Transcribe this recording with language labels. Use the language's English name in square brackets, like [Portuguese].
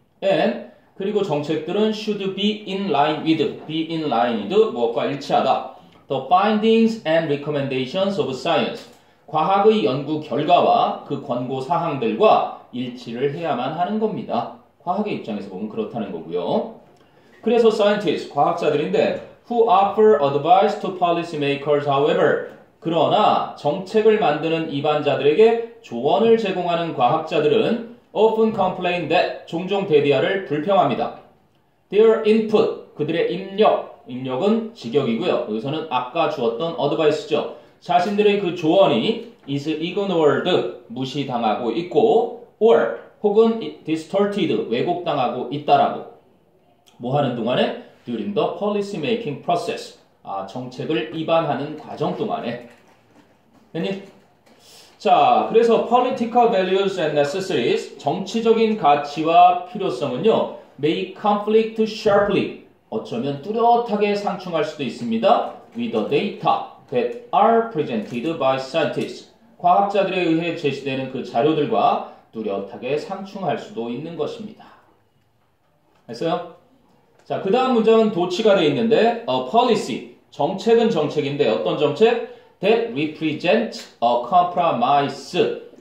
[English] And [Korean] 그리고 정책들은 [English] should be in line with [Korean] 무엇과 일치하다. [English] The findings and recommendations of science. [Korean] 과학의 연구 결과와 그 권고 사항들과 일치를 해야만 하는 겁니다. 과학의 입장에서 보면 그렇다는 거고요. [English] 그래서 scientists, [Korean] 과학자들인데 [English] who offer advice to policymakers, however. [Korean] 그러나 정책을 만드는 이반자들에게 조언을 제공하는 과학자들은 [English] often complain that, [Korean] 종종 대디아를 불평합니다. [English] Their input, [Korean] 그들의 입력은 직역이고요. 여기서는 아까 주었던 advice죠. 자신들의 그 조언이 is ignored, 무시당하고 있고 or 혹은 distorted, 왜곡당하고 있다라고. 뭐 하는 동안에? [English] During the policy making process. [Korean] 아, 정책을 입안하는 과정 동안에. 회원님? 자, 그래서 [English] political values and necessities, [Korean] 정치적인 가치와 필요성은요, [English] may conflict sharply, [Korean] 어쩌면 뚜렷하게 상충할 수도 있습니다. [English] With the data that are presented by scientists. [Korean] 과학자들에 의해 제시되는 그 자료들과 뚜렷하게 상충할 수도 있는 것입니다. 됐어요? 자, 그 다음 문장은 도치가 되어 있는데, a policy. 정책은 정책인데, 어떤 정책? [English] That represents a compromise.